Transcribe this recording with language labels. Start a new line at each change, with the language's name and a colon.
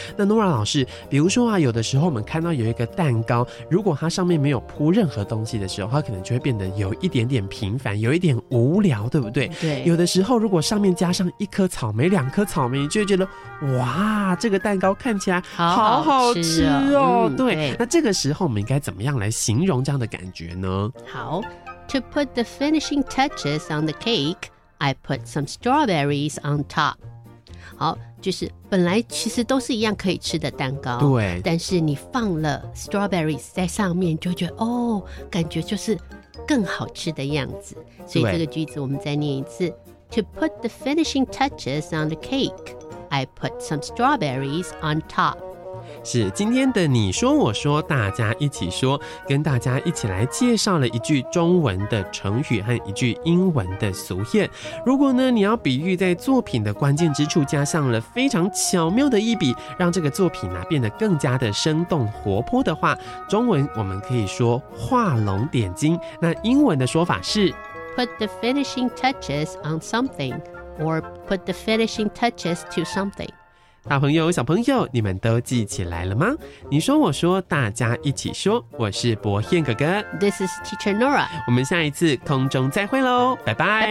Chinese: 那 Nora 老师，比如说啊，有的时候我们看到有一个蛋糕，如果它上面没有铺任何东西的时候，它可能就会变得有一点点平凡，有一点无聊，对不对？对。有的时候如果上面加上一颗草莓、两颗草莓，你就会觉得哇，这个蛋糕看起来好好吃哦。吃哦嗯、对，那这个时候我们应该怎么样来形容这样的感觉呢？好。
English: To put the finishing touches on the cake, I put some strawberries on top.
Chinese: 好，就是本来其实都是一样可以吃的蛋糕，对，但是你放了 strawberries 在上面，就觉得哦，感觉就是更好吃的样子。所以这个句子我们再念一次。
English: To put the finishing touches on the cake, I put some strawberries on top.
Chinese: 是今天的你说我说大家一起说，跟大家一起来介绍了一句中文的成语和一句英文的俗谚。如果呢你要比喻在作品的关键之处加上了非常巧妙的一笔，让这个作品、啊、变得更加的生动活泼的话，中文我们可以说画龙点睛，那英文的说法是
English: put the finishing touches on something or put the finishing touches to something。
Chinese: 大朋友小朋友，你们都记起来了吗？你说我说大家一起说，我是博彦哥哥，
English: This is Teacher Nora，
Chinese: 我们下一次空中再会咯，拜拜